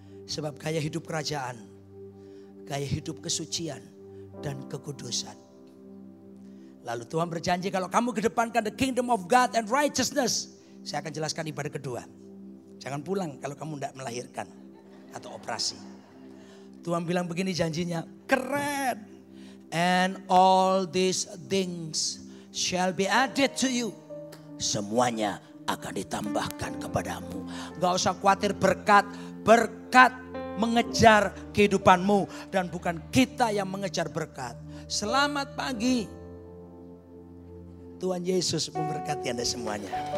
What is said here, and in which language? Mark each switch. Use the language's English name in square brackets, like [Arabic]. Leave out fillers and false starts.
[Indonesian] Sebab gaya hidup kerajaan, gaya hidup kesucian dan kekudusan. Lalu Tuhan berjanji, kalau kamu kedepankan [English] the kingdom of God and righteousness, [Indonesian] saya akan jelaskan ibadah kedua. Jangan pulang kalau kamu tidak melahirkan atau operasi. Tuhan bilang begini janjinya, keren. [English] And all these things shall be added to you. [Indonesian] Semuanya akan ditambahkan kepadamu. Gak usah khawatir berkat. Berkat mengejar kehidupanmu. Dan bukan kita yang mengejar berkat. Selamat pagi. Tuhan Yesus memberkati Anda semuanya.